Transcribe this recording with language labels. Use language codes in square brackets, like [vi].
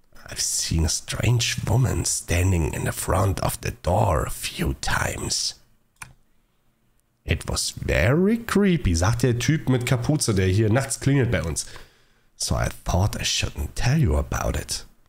[en] I've seen a strange woman standing in the front of the door a few times. It was very creepy, [de] sagt der Typ mit Kapuze, der hier nachts klingelt bei uns. [en] So I thought I shouldn't tell you about it.